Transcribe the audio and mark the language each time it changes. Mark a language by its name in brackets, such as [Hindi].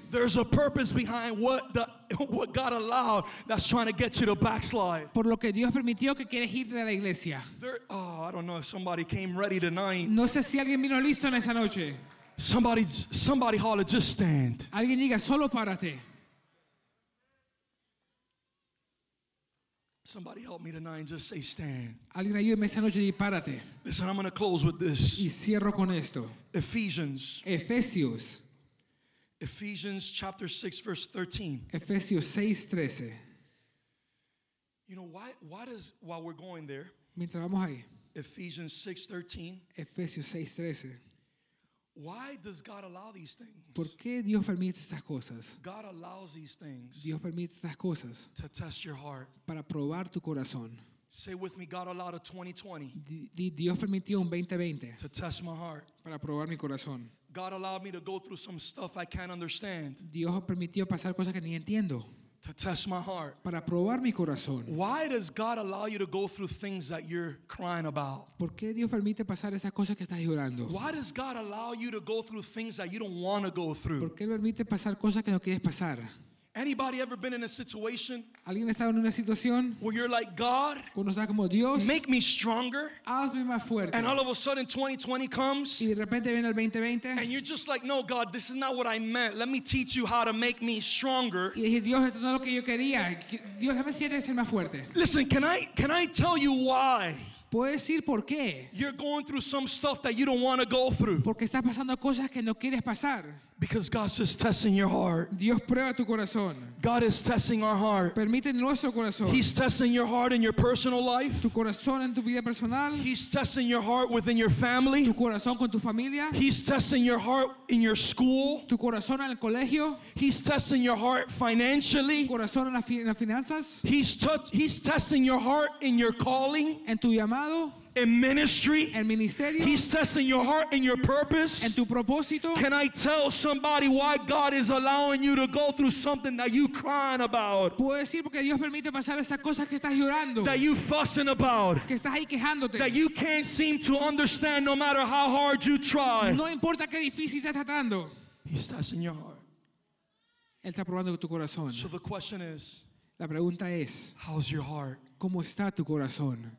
[English] There's a purpose behind what God allowed that's trying to get you to backslide. [Spanish] Por lo que Dios permitió que quieres ir de la iglesia. [English] I don't know if somebody came ready tonight. [Spanish] No sé si alguien vino listo en esa noche. [English] Somebody holler, just stand. [Spanish] Alguien diga, solo párate. [English] Somebody help me tonight and just say stand. [Spanish] Alguien ayúdeme esa noche y párate. [English] Listen, I'm going to close with this. [Spanish] Y cierro con esto. [English] Ephesians. [Spanish] Efesios. [English] Ephesians chapter 6 verse 13. [Spanish] Efesios 6, 13. [English] You know why does while we're going there? [Spanish] Mientras vamos ahí. [English] Ephesians 6:13. [Spanish] Efesios 6:13. [English] Why does God allow these things? [Spanish] ¿Por qué Dios permite estas cosas? [English] God allows these things. [Spanish] Dios permite estas cosas. [English] To test your heart. [Spanish] Para probar tu corazón. [English] Say with me, God allowed a 2020. [Spanish] Dios permitió un 2020. [English] To test my heart. [Spanish] Para probar mi corazón. [English] God allowed me to go through some stuff I can't understand. [Spanish] Dios permitió pasar cosas que ni entiendo. [English] To test my heart. [Spanish] Para probar mi corazón. [English] Why does God allow you to go through things that you're crying about? [Spanish] ¿Por qué Dios permite pasar esas cosas que estás llorando? [English] Why does God allow you to go through things that you don't want to go through? [Spanish] ¿Por qué permite pasar cosas que no quieres pasar? [English] Anybody ever been in a situation? [Spanish] ¿Alguien estado en una situación? [English] Where you're like, God, [Spanish] cuando está como Dios, [English] make me stronger. [Spanish] Hazme más fuerte. [English] And all of a sudden 2020 comes. [Spanish] Y de repente viene el 2020. [English] And you're just like, no, God, this is not what I meant. Let me teach you how to make me stronger. [Spanish] Y dije, Dios, esto no es lo que yo quería. Dios, déjame siete ser más fuerte. [English] Listen, can I tell you why? [Spanish] ¿Puedo decir por qué? [English] You're going through some stuff that you don't want to go through. [Spanish] Porque estás pasando cosas que no quieres pasar. [English] Because God's just testing your heart. [Spanish] Dios prueba tu corazón. [English] God is testing our heart. [Spanish] Permite nuestro corazón. [English] He's testing your heart in your personal life. [Spanish] Tu corazón en tu vida personal. [English] He's testing your heart within your family. [Spanish] Tu corazón con tu familia. [English] He's testing your heart in your school. [Spanish] Tu corazón en el colegio. [English] He's testing your heart financially. [Spanish] Tu corazón en las finanzas. [English] He's testing your heart in your calling. [Spanish] En tu llamado. [English] In ministry, [Spanish] el ministerio, [English] he's testing your heart and your purpose. [Spanish] En tu propósito, [English] can I tell somebody why God is allowing you to go through something that you're crying about? [Spanish] Puedo decir porque Dios permite pasar esas cosas que estás llorando, [English] that you're fussing about, [Spanish] que estás ahí quejándote, [English] that you can't seem to understand no matter how hard you try. [Spanish] No importa qué difícil estás tratando. [English] He's testing your heart. [Spanish] Él está probando tu corazón. [English] So the question is, [Spanish] la pregunta es, [English] how's your heart? [Spanish] ¿Cómo está tu corazón?